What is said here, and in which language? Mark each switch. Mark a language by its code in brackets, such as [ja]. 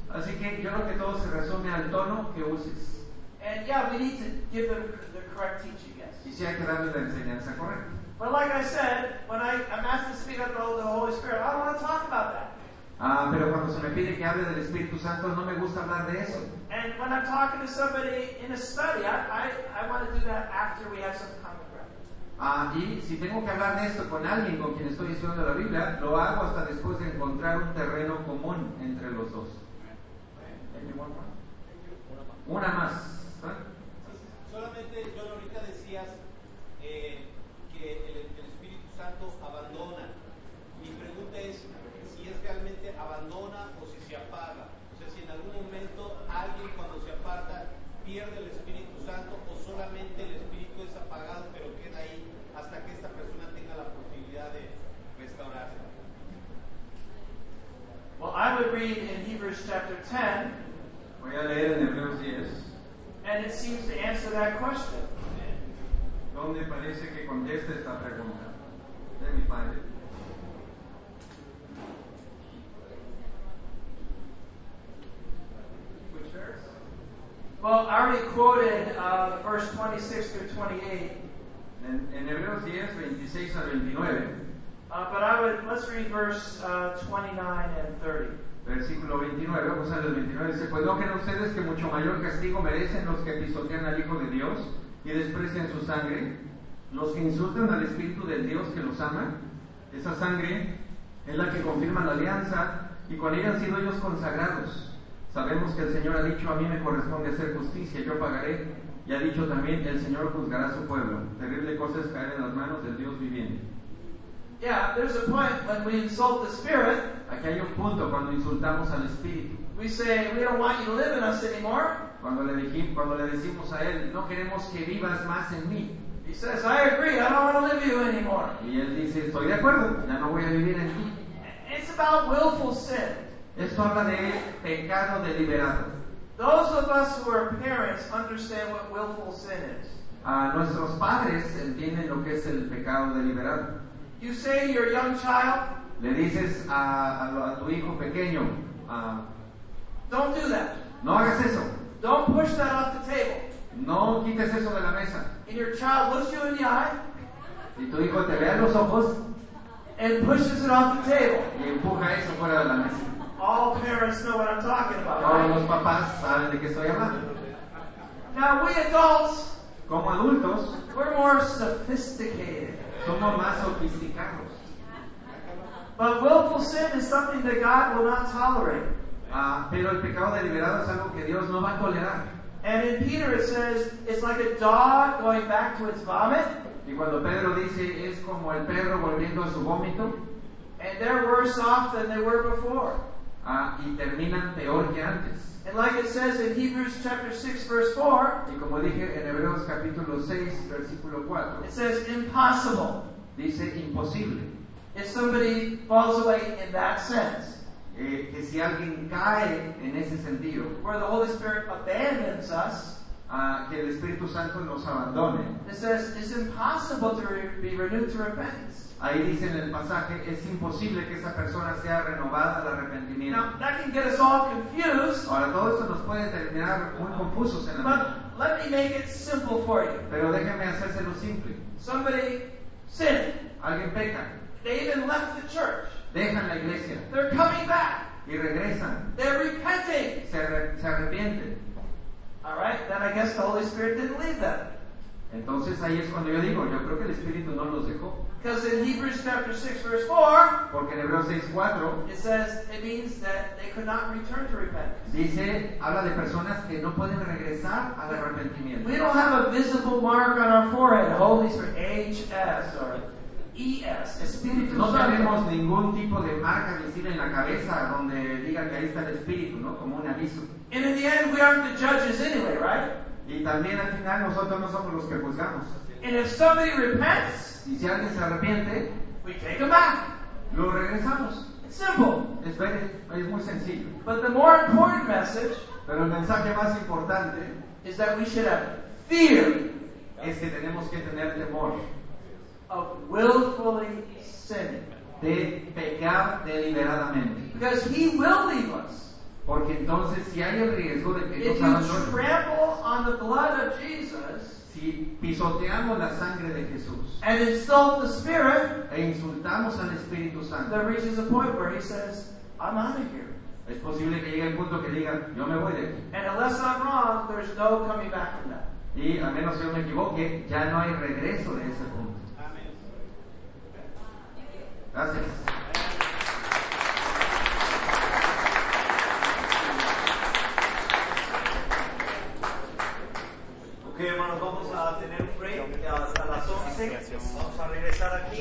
[es] Así que yo creo que todo se resume al tono que uses. [en] And yeah, we need to give them the correct teaching, yes. [es] Y si hay que darle la enseñanza correcta. [en] But like I said, when I'm asked to speak up of the Holy Spirit, I don't want to talk about that. [es] Pero cuando se me pide que hable del Espíritu Santo, no me gusta hablar de eso. [en] And when I'm talking to somebody in a study, I want to do that after we have some common ground. [es] Y si tengo que hablar de esto con alguien con quien estoy estudiando la Biblia, lo hago hasta después de encontrar un terreno común entre los dos. Una más. Solamente yo ahorita decías el Espíritu Santo abandona. Mi pregunta es si es realmente abandona o si se apaga. O sea, si en algún momento alguien cuando se aparta pierde el Espíritu Santo o solamente el Espíritu es apagado pero queda ahí hasta que esta persona tenga la posibilidad de restaurarse. [en] Well, I would read in Hebrews chapter 10. [es] Voy a leer en Hebreos 10. [en] And it seems to answer that question. [es] ¿Dónde parece que contesta esta pregunta? [en] Let me find it. Which verse? Well, I already quoted verse 26 through 28. [es] En Hebreos 10, 26 a 29. [en] Let's read verse 29 and 30. [es] Versículo 29, vamos a leer el 29. Dice, pues no creen ustedes que mucho mayor castigo merecen los que pisotean al Hijo de Dios y desprecian su sangre, los que insultan al Espíritu del Dios que los ama. Esa sangre es la que confirma la alianza, y con ella han sido ellos consagrados. Sabemos que el Señor ha dicho: a mí me corresponde hacer justicia, yo pagaré. Y ha dicho también: el Señor juzgará a su pueblo. Terrible cosa es caer en las manos del Dios viviente. [en] Yeah, there's a point when we insult the Spirit. [es] Aquí hay un punto cuando insultamos al Espíritu. [en] We say, we don't want you to live in us anymore. [es] Cuando le decimos a él, no queremos que vivas más en mí. [en] He says, I agree, I don't want to live you anymore. [es] Y él dice, estoy de acuerdo, ya no voy a vivir en ti. [en] It's about willful sin. [es] Esto habla de pecado deliberado. [en] Those of us who are parents understand what willful sin is. [es] Nuestros padres entienden lo que es el pecado deliberado. [en] You say to your young child, [es] le dices a tu hijo pequeño, [en] don't do that. [es] No hagas eso. [en] Don't push that off the table. [es] No quites eso de la mesa. [en] And your child looks you in the eye, [es] y tu hijo te ve a los ojos, [en] and pushes it off the table. [es] Y empuja eso fuera de la mesa. [en] All parents know what I'm talking about. [es] Todos [en] right? [es] Los papás saben de qué estoy hablando. [en] Now we adults, [es] como adultos, [en] we're more sophisticated. [es] Somos más sofisticados. [en] But willful sin is something that God will not tolerate. [es] Pero el pecado deliberado es algo que Dios no va a tolerar. [en] And in Peter it says, it's like a dog going back to its vomit. [es] Y cuando Pedro dice, es como el perro volviendo a su vómito. [en] And they're worse off than they were before. [es] Y terminan peor que antes. [en] And like it says in Hebrews chapter 6 verse 4. [es] Y como dije en Hebreos capítulo 6 versículo 4. [en] It says impossible. [es] Dice imposible. [en] If somebody falls away in that sense. [es] Que si alguien cae en ese sentido, [en] where the Holy Spirit abandons us, [es] que el Espíritu Santo nos abandone, [en] it says it's impossible to be renewed to repentance. [es] Ahí dice en el pasaje, es imposible que esa persona sea renovada al arrepentimiento. [en] Now that can get us all confused. [es] Ahora todo esto nos puede terminar muy confusos en la mente. [en] But let me make it simple for you. [es] Pero déjeme hacérselo simple. [en] Somebody sinned. [es] Alguien peca. [en] They even left the church. [es] Dejan la iglesia. [en] They're coming back. [es] Y regresan. [en] They're repenting. [es] Se arrepienten. [en] All right, then I guess the Holy Spirit didn't leave them. [es] Entonces ahí es cuando yo digo, yo creo que el Espíritu no los dejó. [en] Because in Hebrews chapter 6 verse 4, [es] porque en Hebreos 6, 4, [en] it says, it means that they could not return to repentance. [es] Dice, habla de personas que no pueden regresar al arrepentimiento. [en] We don't have a visible mark on our forehead, Holy Spirit, H-S, or E-S, Espíritu [es] Santo. No tenemos ningún tipo de marca visible en la cabeza donde diga que ahí está el Espíritu, ¿no? Como un aviso. [en] And in the end, we aren't the judges anyway, right? [es] Y también al final nosotros no somos los que juzgamos. [en] And if somebody repents, [es] y si alguien se arrepiente, [en] we take them back. [es] Lo regresamos. [en] It's simple. [es] Es muy sencillo. [en] But the more important message, [es] pero el mensaje más importante, [en] is that we should have fear. [es] Es que tenemos que tener temor. [en] Of willfully sinning. [es] De pecar deliberadamente. [en] Because he will leave us. [es] Porque entonces si hay el riesgo de que Dios abandone. [en] If you trample on the blood of Jesus. [es] Si pisoteamos la sangre de Jesús. [en] And insult the Spirit. [es] E insultamos al Espíritu Santo. [en] There reaches a point where he says, I'm out of here. [es] Es posible que llegue el punto que diga, yo me voy de aquí. [en] And unless I'm wrong, there's no coming back from that. [es] Y a menos que yo me equivoque, ya no hay regreso de ese punto. Gracias. Ok, hermanos, vamos a tener un break hasta las 11. Vamos a regresar aquí.